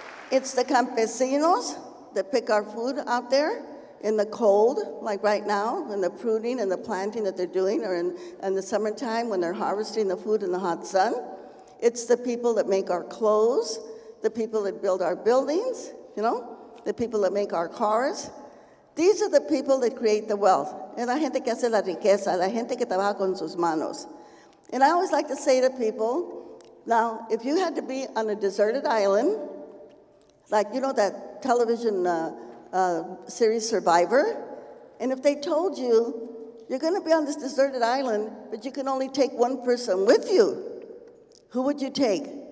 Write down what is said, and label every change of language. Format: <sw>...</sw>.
<en>It's the campesinos that pick our food out there in the cold, like right now, when the pruning and the planting that they're doing, or in the summertime when they're harvesting the food in the hot sun. It's the people that make our clothes, the people that build our buildings, you know, the people that make our cars. These are the people that create the wealth.</en> <es>Es la gente que hace la riqueza, la gente que trabaja con sus manos.</es> <en>And I always like to say to people, now, if you had to be on a deserted island, like, you know, that television series Survivor? And if they told you, you're going to be on this deserted island, but you can only take one person with you, who would you take?</en>